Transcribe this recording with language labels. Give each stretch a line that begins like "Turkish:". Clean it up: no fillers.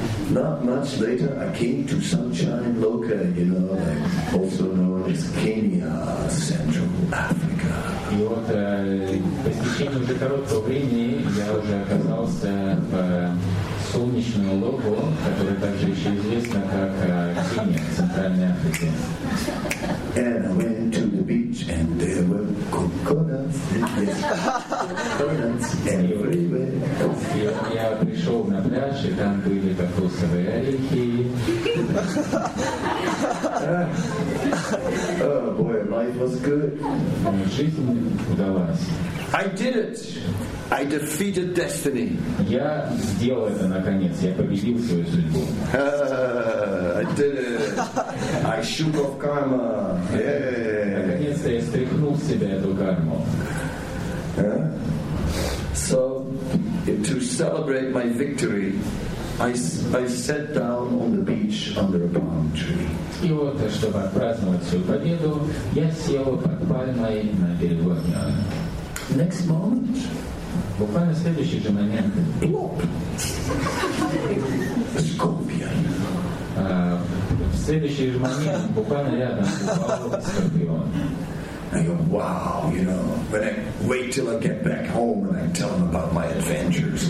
English: Not much later, I came to Sunshine Loka, you know, like also known as Kenya, Central Africa.
Russian: И вот по истечении уже короткого времени я уже оказался в солнечном логу, которое также еще известно как Кения, Центральная Африка.
English: And I went to the beach, and there were coconuts, coconuts everywhere.
Russian: Я пришел на пляж, и там были кокосовые орехи.
English: Oh boy, life was good.
Russian: Жизнь удалась.
English: I did it. I defeated destiny.
Russian: Я сделал это наконец. Я победил свою судьбу.
English: I did it. I shook off karma.
Russian: Наконец-то я стряхнул с себя эту карму.
English: So, to celebrate my victory, I sat down on the beach under a palm tree.
Russian: И вот, чтобы отпраздновать свою победу, я сел под пальмой на берегу огня.
English: Next moment,
Russian: буквально следующий же момент,
English: plop, scorpion.
Russian: В следующий же момент, буквально рядом, скорпион.
English: I go, wow, you know, when I wait till I get back home and I tell them about my adventures